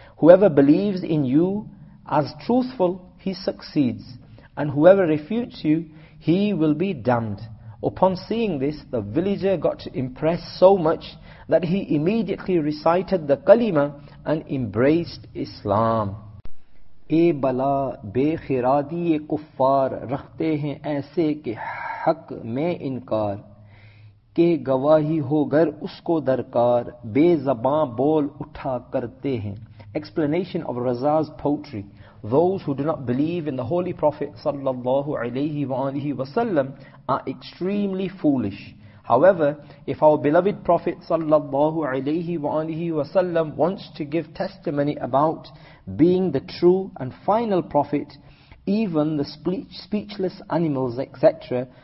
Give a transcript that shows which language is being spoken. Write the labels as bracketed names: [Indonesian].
[English] Whoever believes in you as truthful, he succeeds. And whoever refutes you, he will be damned. Upon seeing this, the villager got impressed so much that he immediately recited the kalima and embraced Islam. [Urdu] اے بلا بے خرادی کفار رکھتے ہیں ایسے کہ حق میں انکار کہ گواہی ہو گر اس کو درکار بے زبان بول اٹھا کرتے ہیں. [English] Explanation of Raza's poetry. Those who do not believe in the Holy Prophet [Arabic] sallallahu alayhi wa alihi wa sallam [English] are extremely foolish. However, if our beloved Prophet [Arabic] sallallahu alayhi wa alihi wa sallam [English] wants to give testimony about being the true and final Prophet, even the speechless animals etc.